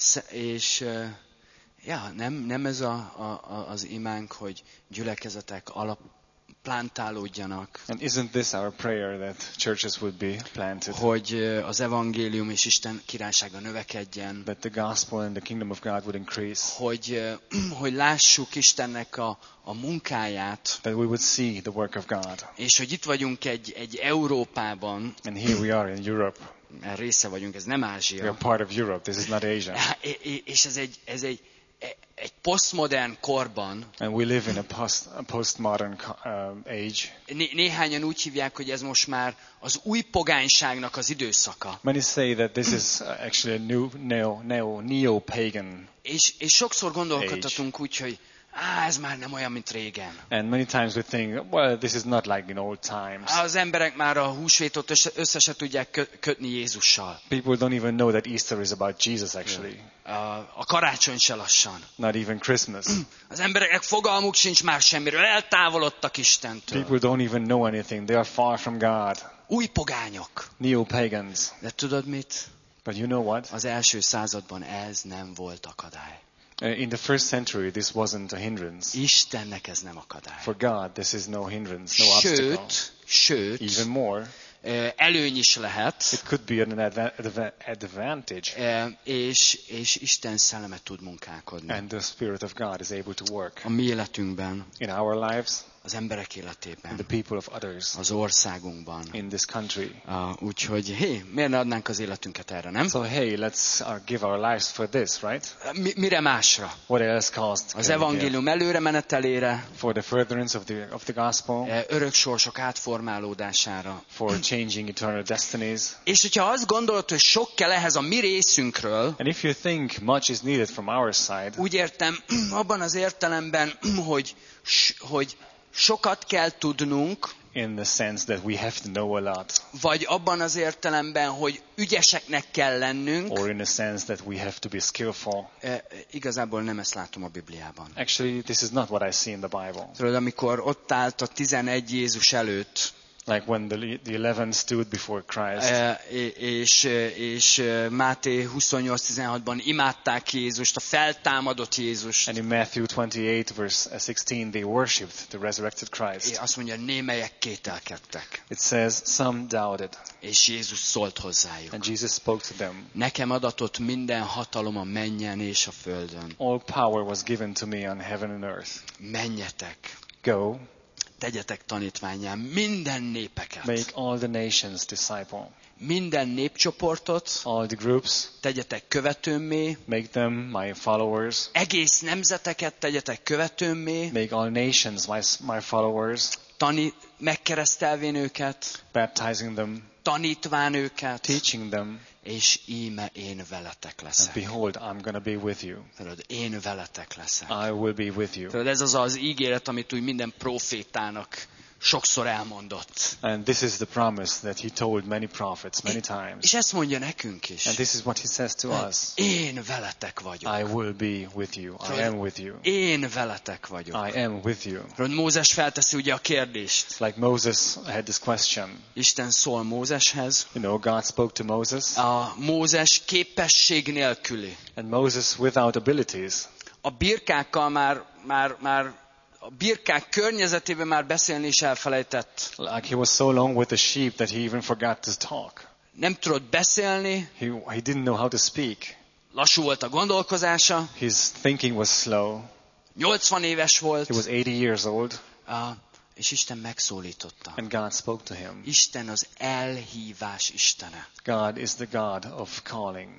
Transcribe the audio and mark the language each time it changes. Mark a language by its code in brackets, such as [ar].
[hu] És ja, nem ez az imánk, hogy gyülekezetek plantálódjanak. [en] And isn't this our prayer that churches would be planted? [hu] Hogy az evangélium és Isten királysága növekedjen. [en] That the gospel and the kingdom of God would increase. [hu] Hogy lássuk Istennek a munkáját. [en] That we would see the work of God. [hu] És hogy itt vagyunk egy Európában. [en] And here we are in Europe. [hu] Része vagyunk, ez nem Ázsia. [en] We are part of Europe. This is not Asia. [hu] És ez egy postmodern korban. [en] And we live in a postmodern age. [hu] Néhányan úgy hívják, hogy ez most már az új pogányságnak az időszaka. [en] Many say that this is actually a new neo-pagan. [hu] És sokszor gondolkodhatunk úgy, hogy ez már nem olyan, mint régen. [en] And many times we think, well, this is not like in old times. [hu] Az emberek már a húsvétot összeset tudják kötni Jézussal. [en] People don't even know that Easter is about Jesus, actually. [hu] A karácsony se lassan. [en] Not even Christmas. [hu] Az embereknek fogalmuk sincs már semmiről. Eltávolodtak Istentől. [en] People don't even know anything. They are far from God. [hu] Új pogányok. [en] Neo-pagans. [hu] De tudod mit? [en] But you know what? [hu] Az első században ez nem volt akadály. [en] In the first century, this wasn't a hindrance. [hu] Istennek ez nem akadály. [en] For God, this is no hindrance, no obstacle. [hu] Sőt, [en] even more, [hu] előny is lehet. [en] It could be an advantage. [hu] És Isten szelleme tud munkálkodni. [en] And the Spirit of God is able to work. [hu] A mi életünkben. [en] In our lives. [hu] Az emberek életében. [en] The people of others. [hu] Az országunkban. [en] In this country. [hu] Úgyhogy, hey, miért ne adnánk az életünket erre, nem? [en] So hey, let's give our lives for this, right? [hu] Mire másra? [en] What else cost? [hu] Az evangélium előre menetelére. [en] For the furtherance of the gospel. [hu] Örök sorsok átformálódására. [en] For changing eternal destinies. [hu] És hogyha azt gondolod, hogy sok kell ehhez a mi részünkről. [en] And if you think much is needed from our side. [hu] Úgy értem, abban az értelemben, hogy sokat kell tudnunk. [en] In the sense that we have to know a lot. [hu] Vagy abban az értelemben, hogy ügyeseknek kell lennünk. [en] Or in the sense that we have to be skillful. [hu] Igazából nem ezt látom a Bibliában. [en] Actually, this is not what I see in the Bible. [hu] Tudod, amikor ott állt a 11 Jézus előtt. [en] Like when the 11 stood before Christ. [hu] És Máté 28:16-ban imádták Jézust, a feltámadott Jézust. [en] And in Matthew 28 verse 16 they worshipped the resurrected Christ. [hu] És azt mondja, némelyek kételkedtek. [en] It says some doubted. [hu] És Jézus szólt hozzájuk. [en] And Jesus spoke to them. [hu] Nekem adatott minden hatalom a mennyen és a földön. [en] All power was given to me on heaven and earth. [hu] Menjetek. [en] Go. [hu] Tegyetek tanítvánnyá minden népeket. [en] Make all the nations disciple. [hu] Minden népcsoportot. [en] All the groups. [hu] Tegyetek követőmmé. [en] Make them my followers. [hu] Egész nemzeteket tegyetek követőmmé. [en] Make all nations my followers. [hu] Megkeresztelvén őket. [en] Baptizing them. [hu] Tanítván őket. [en] Teaching them. [hu] És íme én veletek leszek. [en] And behold, I'm gonna be with you. [hu] Tudod, én veletek leszek. [en] I will be with you. [hu] Tudod, ez az ígéret, amit úgy minden profétának sokszor elmondott. [en] And this is the promise that he told many prophets many times. [hu] És ezt mondja nekünk is. [en] And this is what he says to us. [hu] Én veletek vagyok. [en] I will be with you. I am with you. [hu] Én veletek vagyok. [en] I am with you. [hu] Tudod, Mózes felteszi ugye a kérdést. [en] Like Moses had this question. [hu] Isten szól Mózeshez. [en] You know, God spoke to Moses. [hu] A Mózes képesség nélküli. [en] And Moses without abilities. [hu] a birkákkal már a birkák környezetében már beszélni is elfelejtett. [en] Like he was so long with the sheep that he even forgot to talk. [hu] Nem tudott beszélni. [en] He didn't know how to speak. [hu] Lassú volt a gondolkozása. [en] His thinking was slow. [hu] 80 éves volt. [en] He was 80 years old. [hu] És Isten megszólította. [en] And God spoke to him. [hu] Isten az elhívás Istene. [en] God is the God of calling.